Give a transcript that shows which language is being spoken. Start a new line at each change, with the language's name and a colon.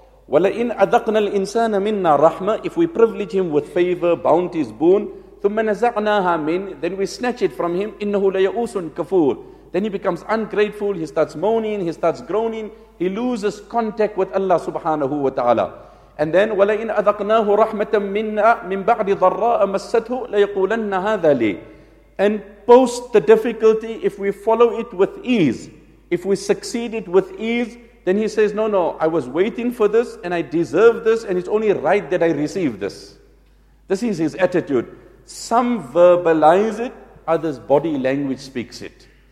Arabic: وَلَئِنْ أَذَقْنَا الْإِنسَانَ مِنَّا رَحْمَةً,
English: if we privilege him with favor, bounties, boon,
Arabic: ثُمَّ نَزَعْنَاهَا مِنْ,
English: then we snatch it from him,
Arabic: إِنَّهُ لَيَأُوسٌ كَفُورٌ.
English: Then he becomes ungrateful, he starts moaning, he starts groaning, he loses contact with Allah subhanahu wa ta'ala. And then,
Arabic: وَلَئِنْ أَذَقْنَاهُ رَحْمَةً مِنَّا مِنْ بَعْدِ ضَرَّاءَ مَسَّتْهُ لَيَقُولَنَّ هَذَا لِي.
English: And post the difficulty, if we follow it with ease, if we succeed it with ease, then he says, no, I was waiting for this and I deserve this and it's only right that I receive this. This is his attitude. Some verbalize it, others' body language speaks it.